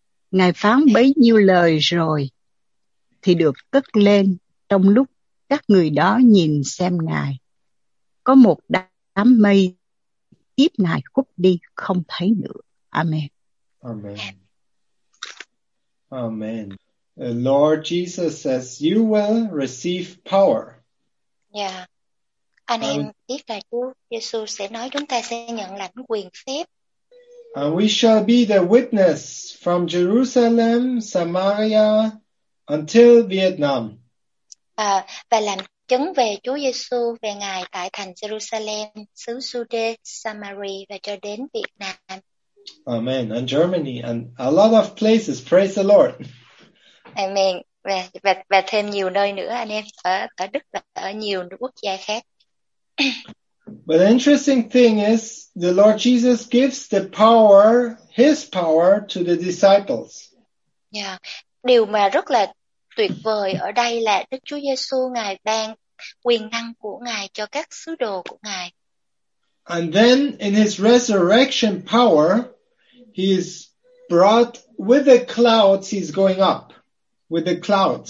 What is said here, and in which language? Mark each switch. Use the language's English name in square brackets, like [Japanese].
[Vietnamese] Ngài phán bấy nhiêu lời rồi thì được cất lên trong lúc các người đó nhìn xem Ngài. Có một đám mây tiếp Ngài khuất đi không thấy nữa. Amen. Amen. Amen. [English] The Lord Jesus says you will receive power. Yeah. [Vietnamese] Anh em biết là Chúa Giêsu sẽ nói chúng ta sẽ nhận lãnh quyền phép. [English] And we shall be the witness from Jerusalem, Samaria until Vietnam. [Vietnamese] Và làm chứng về Chúa Giêsu về Ngài tại thành Jerusalem, xứ Giu-đê, Samaria và cho đến Việt Nam. [English] Amen. And Germany and a lot of places. Praise the Lord. Amen. [Vietnamese] Và thêm nhiều nơi nữa anh em ở Đức và ở nhiều quốc gia khác. [English] But the interesting thing is the Lord Jesus gives the power, his power to the disciples. Yeah. [Vietnamese] Điều mà rất là tuyệt vời ở đây là Đức Chúa Giêsu Ngài ban quyền năng của Ngài cho các sứ đồ của Ngài. [English] And then in his resurrection power, he is brought with the clouds, he's going up with the clouds,